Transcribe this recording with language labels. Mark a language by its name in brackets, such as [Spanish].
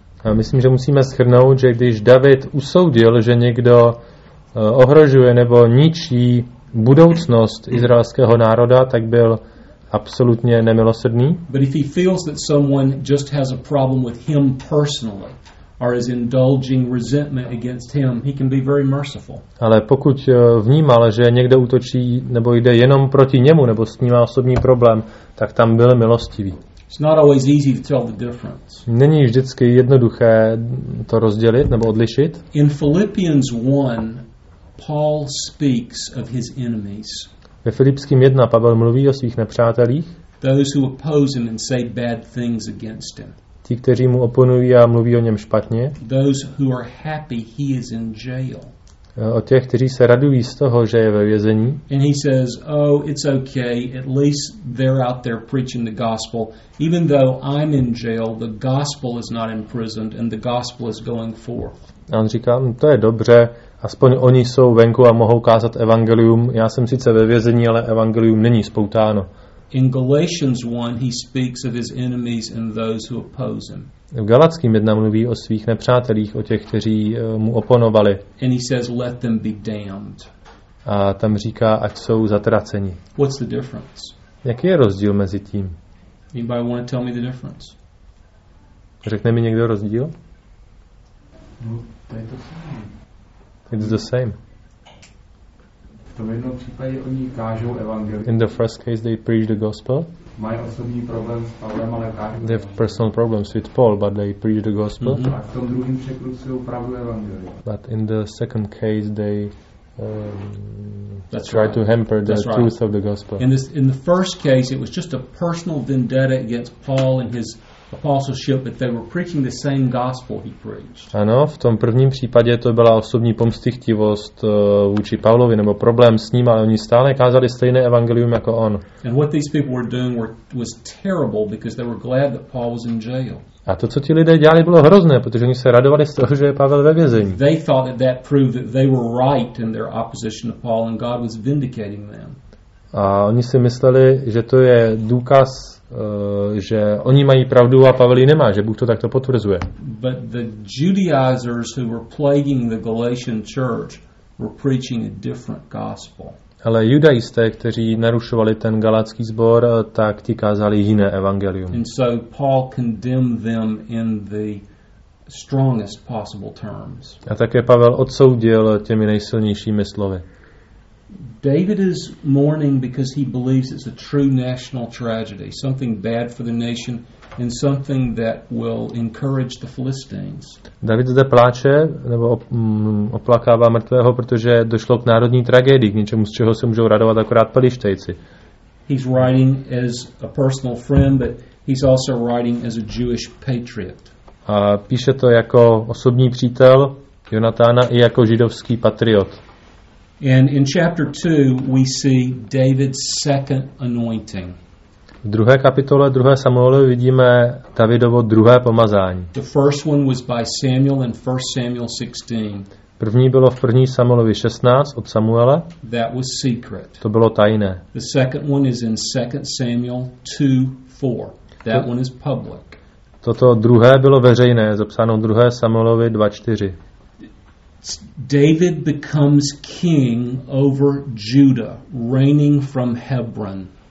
[Czech] A myslím, že musíme shrnout, že když David usoudil, že někdo ohrožuje nebo ničí budoucnost izraelského národa, tak byl absolutně nemilosrdný. [English] But if he feels that someone just has a problem with him personally or is indulging resentment against him, he can be very merciful. [Czech] Ale pokud vnímal, že někdo útočí nebo jde jenom proti němu nebo s ním má osobní problém, tak tam byl milostivý. [English] It's not always easy to tell the difference. [Czech] Není vždycky jednoduché to rozdělit nebo odlišit. [English] In Philippians 1, Paul speaks of his enemies. [Czech] Ve Filipským 1 Pavel mluví o svých nepřátelích. [English] Those who oppose him and say bad things against him. [Czech] Ti, kteří mu oponují a mluví o něm špatně. [English] Those who are happy he is in jail. [Czech] O těch, kteří se radují z toho, že je ve vězení. [English] And he says, oh, it's okay, at least they're out there preaching the gospel. Even though I'm in jail, the gospel is not imprisoned and the gospel is going forth. [Czech] A on říká, to je dobře, aspoň oni jsou venku a mohou kázat evangelium. Já jsem sice ve vězení, ale evangelium není spoutáno. [English] In Galatians 1, he speaks of his enemies and those who oppose him. [Czech] V Galackým 1 mluví o svých nepřátelích, o těch, kteří mu oponovali. [English] And he says, let them be damned. [Czech] A tam říká, ať jsou zatraceni. [English] What's the difference? [Czech] Jaký je rozdíl mezi tím? [English] Anybody want to tell me the difference? [Czech] Řekne mi někdo rozdíl? No, to je to samé. [English] It's the same. [Czech] V tom jednom případě oni kážou evangelium. [English] In the first case they preach the gospel. [Czech] Mají osobní problém s Pavlem, ale kážou. [English] They have personal problems with Paul, but they preach the gospel. [Czech] A v tom druhém překrucují pravdu evangelium. [English] But in the second case they try to hamper the truth of the gospel. In the first case it was just a personal vendetta against Paul and his apostleship, but they were preaching the same gospel he preached. [Czech] Ano, v tom prvním případě to byla osobní pomstychtivost vůči Pavlovi nebo problém s ním, ale oni stále kázali stejné evangelium jako on. [English] And what these people were doing was terrible because they were glad that Paul was in jail. [Czech] A to, co ti lidé dělali, bylo hrozné, protože oni se radovali z toho, že je Pavel ve vězení. [English] They thought that that proved that they were right in their opposition to Paul and God was vindicating them. [Czech] A oni si mysleli, že to je důkaz, že oni mají pravdu a Pavel ji nemá, že Bůh to takto potvrzuje. [English] But the Judaizers who were plaguing the Galatian church were preaching a different gospel. [Czech] Ale judaisté, kteří narušovali ten galácký sbor, tak ti kázali jiné evangelium. [English] And so Paul condemned them in the strongest possible terms. [Czech] A také Pavel odsoudil těmi nejsilnějšími slovy. [English] David is mourning because he believes it's a true national tragedy, something bad for the nation and something that will encourage the Philistines. [Czech] David zde pláče nebo oplakává mrtvého, protože došlo k národní tragédii, k něčemu, z čeho se můžou radovat akorát Filištejci. [English] He's writing as a personal friend, but he's also writing as a Jewish patriot. [Czech] A píše to jako osobní přítel Jonatána i jako židovský patriot. [English] And in chapter 2 we see David's second anointing. [Czech] V druhé kapitole 2. Samuelovi vidíme Davidovo druhé pomazání. [English] The first one was by Samuel in 1 Samuel 16. [Czech] První bylo v 1. Samuelovi 16 od Samuela. [English] That was secret. [Czech] To bylo tajné. [English] The second one is in 2 Samuel 2:4. That one is public. [Czech] Toto druhé bylo veřejné, zapsáno 2. Samuelovi 2:4. [English] David becomes king over Judah, reigning from Hebron.